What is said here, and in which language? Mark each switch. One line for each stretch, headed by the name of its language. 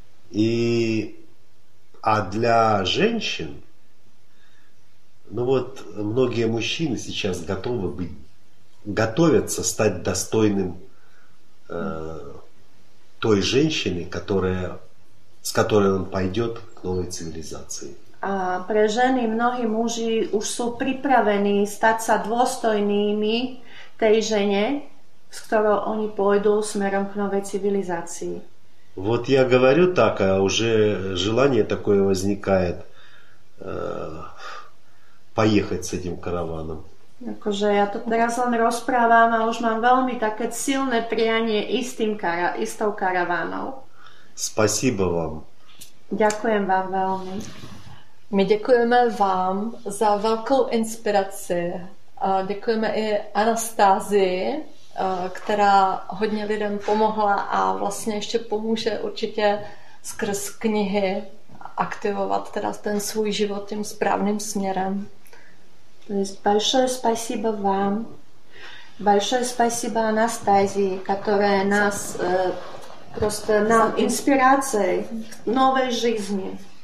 Russian: И а для женщин, ну вот, многие мужчины сейчас готовы быть, готовятся стать достойным той женщины, которая, с которой он пойдет к новой цивилизации.
Slovak: А pre ženy mnohí muži už sú pripravení stať sa dôstojnými tej žene, s ktorou oni pôjdu smerom k novej civilizácii.
Russian: Вот я говорю так, а уже желание такое возникает. Поехать с этим караваном.
Slovak: Akože ja to teraz len rozprávam a už mám veľmi také silné prianie istou karavánou.
Russian: Спасибо вам.
Slovak: Ďakujem vám veľmi. My ďakujeme vám za veľkou inspiraci.
Czech: Ďakujeme i Anastázii, která hodně lidem pomohla a vlastně ještě pomůže určitě skrz knihy aktivovat teda ten svůj život tím správným směrem.
Russian: Большое спасибо вам. Большое спасибо Анастазии, которая нас просто нам инспирацией в новой жизни.